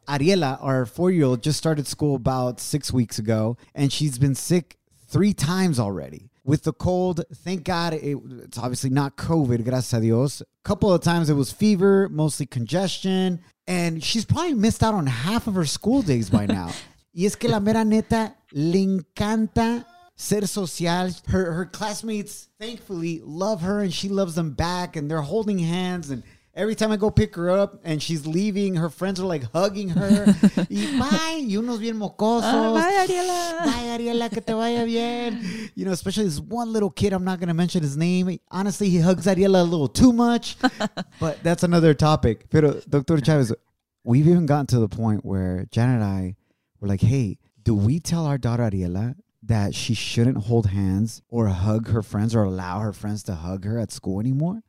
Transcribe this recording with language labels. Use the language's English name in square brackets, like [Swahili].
[English] Ariela, our four-year-old, just started school about 6 weeks ago, and she's been sick 3 times already. With the cold, thank God, it's obviously not COVID, [Spanish] gracias a Dios. [English] A couple of times it was fever, mostly congestion, and she's probably missed out on half of her school days by now. [Spanish] Y es que la mera neta le encanta ser social. [English] Her classmates, thankfully, love her and she loves them back and they're holding hands. And every time I go pick her up and she's leaving, her friends are like hugging her. [Spanish] Y bye, y unos bien mocosos. [English] Oh, bye, Ariela. [Spanish] Bye, Ariela, que te vaya bien. [English] You know, especially this one little kid, I'm not going to mention his name. Honestly, he hugs Ariela a little too much, but that's another topic. Pero, Dr. Chavez, we've even gotten to the point where Janet and I, we're like, hey, do we tell our daughter Ariela that she shouldn't hold hands or hug her friends or allow her friends to hug her at school anymore?